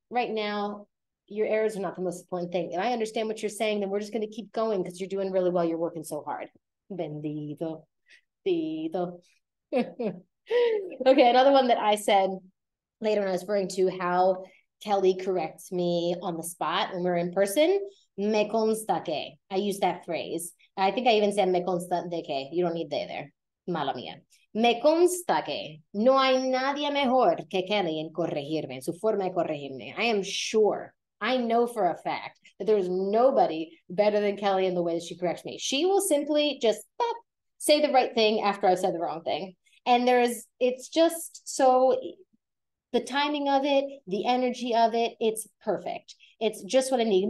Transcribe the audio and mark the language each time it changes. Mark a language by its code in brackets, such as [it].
[en] Right now, your errors are not the most important thing. And I understand what you're saying, then we're just going to keep going because you're doing really well. You're working so hard. Bendito. Bendito. Okay, another one that I said later when I was referring to how Kelly corrects me on the spot when we're in person. Me consta que. I use that phrase. I think I even said me consta de que. You don't need de there. Mala mía. [es] Me consta que no hay nadie mejor que Kelly en corregirme, en su forma de corregirme. [en] I am sure. I know for a fact that there's nobody better than Kelly in the way that she corrects me. She will simply just pop, say the right thing after I've said the wrong thing. And it's just so, the timing of it, the energy of it, it's perfect. It's just what I need.